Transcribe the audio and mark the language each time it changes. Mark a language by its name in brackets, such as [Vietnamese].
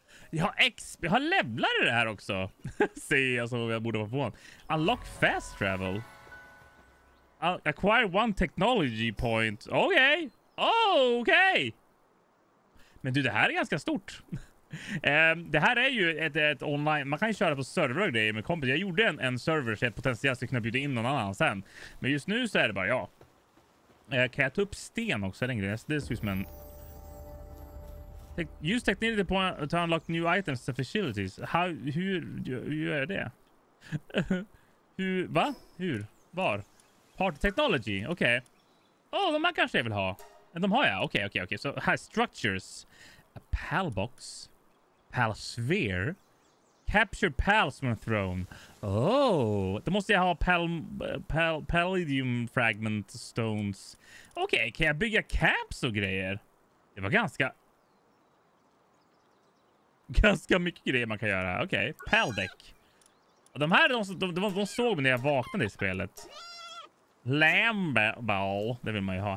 [Swedish] Jag har levlar i det här också. Säger jag som jag borde vara på. [English] Unlock fast travel. Acquire one technology point. Okej. Okay. Okej. Okay. [Swedish] Men du, det här är ganska stort. Det här är ju ett online. Man kan ju köra på server och grejer med kompis. Jag gjorde en server så jag potentiellt skulle kunna bjuda in någon annan sen. Men just nu så är det bara jag. Kan jag ta upp sten också? Är det en grej? Det ser ut som en... [English] Use technology point to unlock new items to facilities. [Swedish] Hur gör jag det? Hur? Var? Part technology? Okej. Okay. Oh, de här kanske jag vill ha. De har jag. Okej. Så här, structures. A pal box. [English] Pal sphere. Capture pals from a throne. [Swedish] Oh, då måste jag ha palladium fragment stones. Okej, okay, kan jag bygga caps och grejer? Det var ganska mycket grejer man kan göra. Okej, okay. Pal deck. Och de här de såg mig när jag vaknade i spelet. Lambal, det vill man ju ha.